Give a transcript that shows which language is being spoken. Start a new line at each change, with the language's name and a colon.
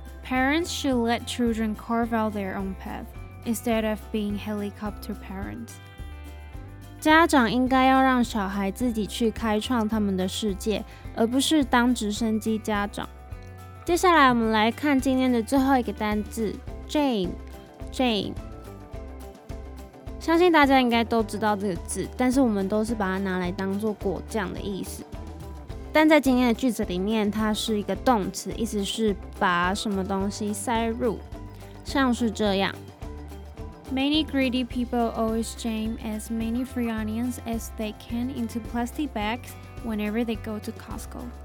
English: parents should let children carve out their own path instead of being helicopter parents.
Chinese: 家长应该要让小孩自己去开创他们的世界，而不是当直升机家长。接下来我们来看今天的最后一个单字 ，Jane，Jane， 相信大家应该都知道这个字，但是我们都是把它拿来当做果酱的意思。但在今天的句子里面，它是一个动词，意思是把什么东西塞入，像是这样。
English: Many greedy people always jam as many free onions as they can into plastic bags whenever they go to Costco.